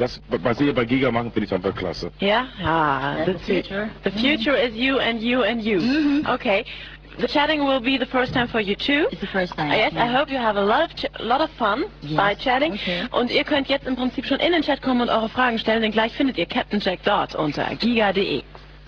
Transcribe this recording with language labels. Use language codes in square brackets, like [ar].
[de] Das, was ihr bei Giga machen, finde ich aber klasse. Ja? Ja. [en] The future is you and you and you. Mm-hmm. Okay. The chatting will be the first time for you too. It's the first time. Yes, yeah. I hope you have a lot of fun, yes, by chatting. Okay. [de] Und ihr könnt jetzt im Prinzip schon in den Chat kommen und eure Fragen stellen, denn gleich findet ihr Captain Jack dort unter giga.de.